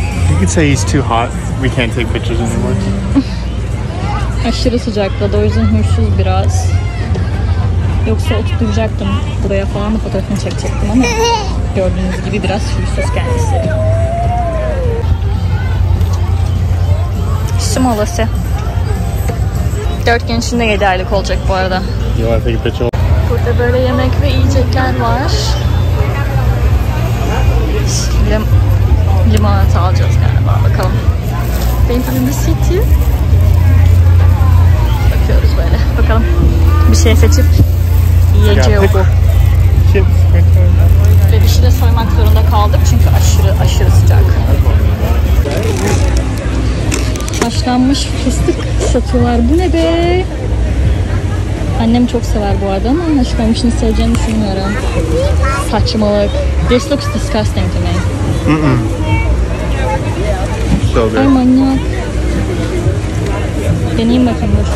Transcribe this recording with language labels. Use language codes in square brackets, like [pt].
[en] You could say he's too hot. We can't take pictures anymore. [tr] Aşırı sıcakladı, o yüzden huysuz biraz. Yoksa oturtacaktım. Buraya falan da fotoğrafını çekecektim ama gördüğünüz gibi biraz huysuz kendisi. Su molası. 4 gün içinde 7 aylık olacak bu arada. Burada böyle yemek ve yiyecekler var. Şimdi limonata alacağız galiba, bakalım. Benim bir city. Böyle. Bakalım bir şey seçip yiyeceği bu. Ve bir şey de soymak zorunda kaldık çünkü aşırı aşırı sıcak. Haşlanmış fıstık satıyorlar. Bu ne be? Annem çok sever bu arada ama haşlanmışını seveceğini düşünmüyorum. Saçmalık. [en] This looks disgusting to me. Mm-mm. [tr] Ay manyak. Deneyim bakalım.